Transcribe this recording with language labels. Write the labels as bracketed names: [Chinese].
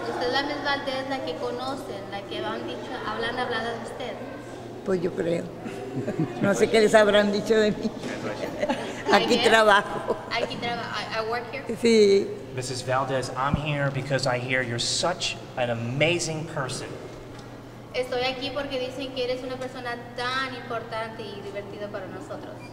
[Spanish] Usted es la Miss Valdez la que conocen, la que han dicho, hablan hablada de usted. Pues yo creo. No sé qué les habrán dicho de mí. Aquí trabajo. Aquí trabajo. [English] I work here. [Spanish] Sí. [English] Mrs. Valdez, I'm here because I hear you're such an amazing person. [Spanish] Estoy aquí porque dicen que eres una persona tan importante y divertida para nosotros.